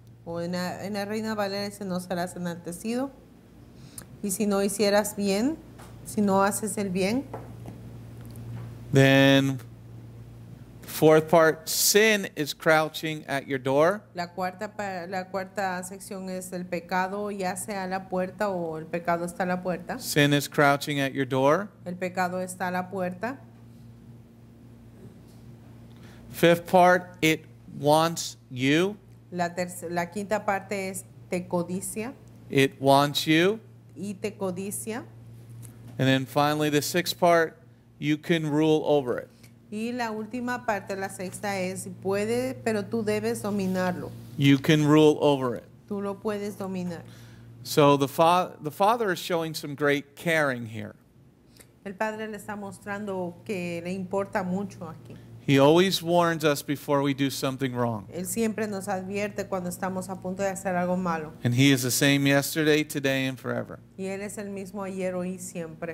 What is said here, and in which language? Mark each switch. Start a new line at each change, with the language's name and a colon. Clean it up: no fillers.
Spanish: O en la Reina Valera dice, no serás enaltecido. Y si no hicieras bien, si no haces el bien.
English: Then, fourth part, sin is crouching at your door.
Spanish: La cuarta sección es el pecado, ya sea a la puerta o el pecado está a la puerta.
English: Sin is crouching at your door.
Spanish: El pecado está a la puerta.
English: Fifth part, it wants you.
Spanish: La quinta parte es te codicia.
English: It wants you.
Spanish: Y te codicia.
English: And then finally, the sixth part, you can rule over it.
Spanish: Y la última parte, la sexta, es puede, pero tú debes dominarlo.
English: You can rule over it.
Spanish: Tú lo puedes dominar.
English: So the father is showing some great caring here.
Spanish: El padre le está mostrando que le importa mucho aquí.
English: He always warns us before we do something wrong.
Spanish: Él siempre nos advierte cuando estamos a punto de hacer algo malo.
English: And he is the same yesterday, today, and forever.
Spanish: Y él es el mismo ayer, hoy, siempre.